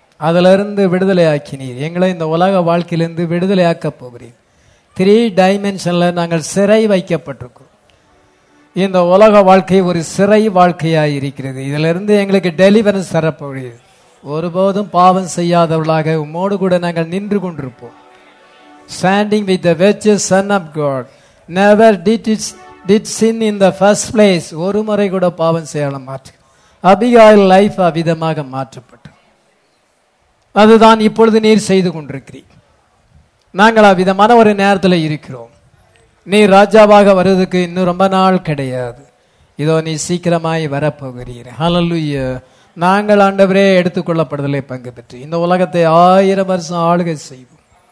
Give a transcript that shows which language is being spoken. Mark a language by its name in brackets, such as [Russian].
[Tamil] அதிலிருந்து விடுதலையாக்கினீர். எங்களை இந்த உலக வாழ்க்கையிலிருந்து விடுதலையாக்கப் போகிறீர். 3 dimensionல நாங்கள் சிறை வைக்கப்பட்டிருக்கோம். இந்த உலக வாழ்க்கை ஒரு சிறை வாழ்க்கையாக இருக்கிறது. இதிலிருந்து எங்களுக்கு டெலிவரன்ஸ் தரப்போகிறீர். ஒருபோதும் பாவம் செய்யாதவர்களாக உம்மோடு கூட நாங்கள் நின்று கொண்டிருப்போம். [English] Standing with the virtuous Son of God, never did sin in the first place. [Tamil] ஒரு முறை கூட பாவம் செய்யாமல் மாற்றுகிறேன். அபிகாயில் லைஃப் அவிதமாக மாற்றப்பட்டு அதுதான் இப்பொழுது நீர் செய்து கொண்டிருக்கிறீர். நாங்கள் அவ்விதமான ஒரு நேரத்தில் இருக்கிறோம். நீர் ராஜாவாக வருவதுக்கு இன்னும் ரொம்ப நாள் கிடையாது. இதோ நீ சீக்கிரமாய் வரப்போகிறீர். ஹல்லேலூயா. நாங்கள் ஆண்டவரே எடுத்துக்கொள்ளப்படுதலை பங்கு பெற்று இந்த உலகத்தை 1000 வருஷம் ஆளுகை செய்வோம்.